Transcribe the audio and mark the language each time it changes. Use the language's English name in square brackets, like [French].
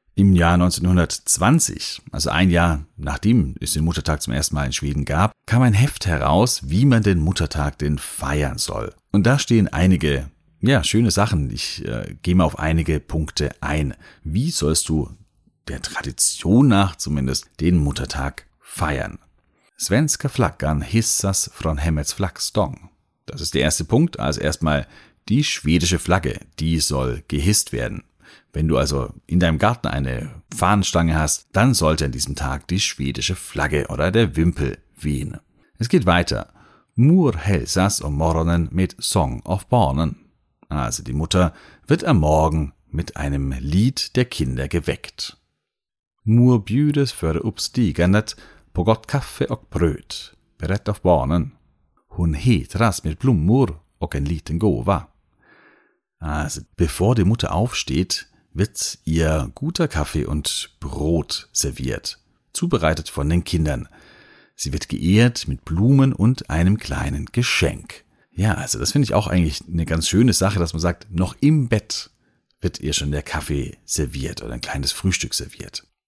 [German] Im Jahr 1920, also ein Jahr nachdem es den Muttertag zum ersten Mal in Schweden gab, kam ein Heft heraus, wie man den Muttertag denn feiern soll. Und da stehen einige, ja, schöne Sachen. Ich gehe mal auf einige Punkte ein. Wie sollst du der Tradition nach zumindest den Muttertag feiern? [Swedish] Svenska flaggan hissas från hemmets flaggstång. [German] Das ist der erste Punkt. Also erstmal die schwedische Flagge, die soll gehisst werden. Wenn du also in deinem Garten eine Fahnenstange hast, dann sollte an diesem Tag die schwedische Flagge oder der Wimpel wehen. Es geht weiter. [Swedish] Mor hälsas om morgonen med sång av barnen. [German] Also die Mutter wird am Morgen mit einem Lied der Kinder geweckt. [Swedish] Mor bjudes för uppstigandet på gott kaffe och bröd. Berätt av barnen. Hon hedras med blommor och en liten gåva. [German] Also bevor die Mutter aufsteht, wird ihr guter Kaffee und Brot serviert, zubereitet von den Kindern. Sie wird geehrt mit Blumen und einem kleinen Geschenk. Ja, also das finde ich auch eigentlich eine ganz schöne Sache, dass man sagt, noch im Bett wird ihr schon der Kaffee serviert oder ein kleines Frühstück serviert.